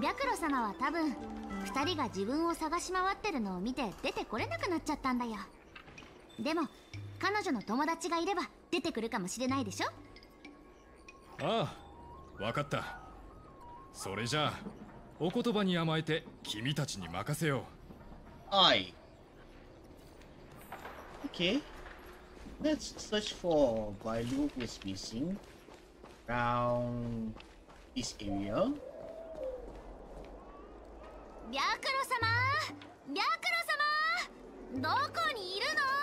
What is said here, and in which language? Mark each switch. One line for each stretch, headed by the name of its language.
Japanese: 白露様は多分二人が自分を探し回ってるのを見て出てこれなくなっちゃったんだよ。でも彼女の友達がいれば出てくるかもしれないでしょ。ああ、わかった。それじゃあお言葉に甘えて君たちに任せよう。はい。
English: OK。 Let's search for Bailu who is missing around this area。
Japanese: ビャクロ様、ビャクロ様、どこにいるの。